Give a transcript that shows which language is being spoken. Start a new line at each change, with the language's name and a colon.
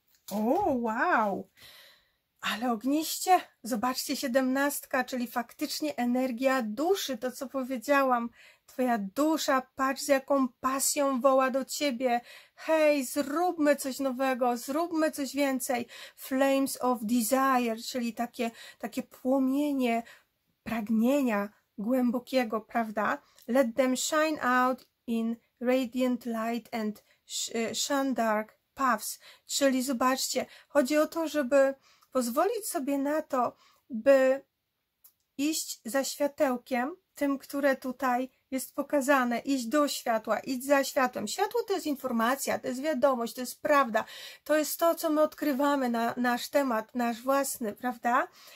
Polish: O, wow. Ale ogniście, zobaczcie, 17, czyli faktycznie energia duszy, to co powiedziałam. Twoja dusza, patrz z jaką pasją woła do ciebie. Hej, zróbmy coś nowego, zróbmy coś więcej.
English: Flames of desire,
Polish: czyli takie płomienie pragnienia głębokiego, prawda?
English: Let them shine out in radiant light and shun dark paths.
Polish: Czyli zobaczcie, chodzi o to, żeby pozwolić sobie na to, by iść za światełkiem, tym, które tutaj jest pokazane, iść do światła, iść za światłem. Światło to jest informacja, to jest wiadomość, to jest prawda. To jest to, co my odkrywamy na nasz temat, nasz własny, prawda?